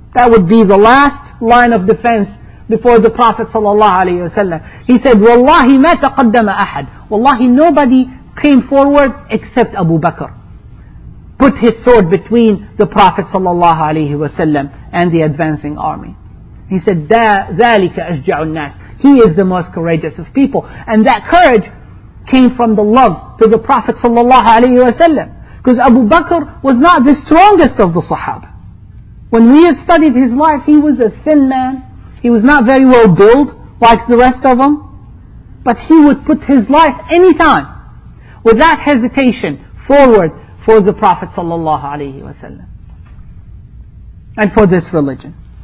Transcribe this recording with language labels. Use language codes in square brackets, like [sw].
[en] That would be the last line of defense before the Prophet sallallahu alaihi wasallam. He said, [ar] wallahi ma taqaddama ahad. [en] Wallahi, nobody came forward except Abu Bakr. Put his sword between the Prophet sallallahu alaihi wasallam and the advancing army. He said, [ar] ذَلِكَ أَشْجَعُ النَّاسِ. [en] He is the most courageous of people. And that courage came from the love to the Prophet sallallahu alaihi wasallam. Because Abu Bakr was not the strongest of the Sahaba. When we have studied his life, he was a thin man. He was not very well built like the rest of them. But he would put his life anytime without hesitation forward for the Prophet sallallahu alaihi wasallam and for this religion.